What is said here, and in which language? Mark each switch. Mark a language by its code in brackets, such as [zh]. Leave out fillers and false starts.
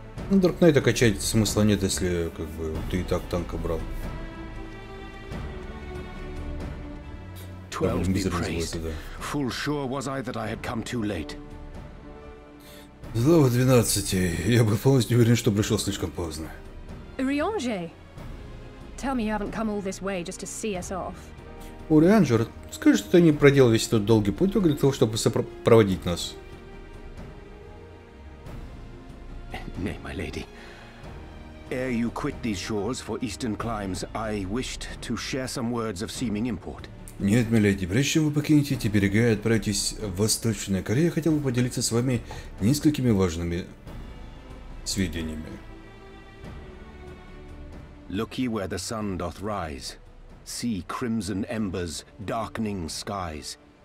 [ru] Ну, Dark Knight качать смысла нет, если как бы ты и так танка брал. Слава 12. Я был полностью уверен, что пришел слишком поздно. [en] Рионже, tell me you haven't come all this way just to see us off. [ru] Рионже, скажи, что ты не проделал весь этот долгий путь для того, чтобы сопроводить нас. [en] Nay, my lady. Ere you quit these shores for eastern climes, I wished to share some words of seeming import. [ru] Нет, миледи, прежде чем вы покинете эти берега и отправитесь в Восточную Корею, я хотел бы поделиться с вами несколькими важными сведениями. [en] Look ye where the sun doth rise, see crimson embers darkening skies.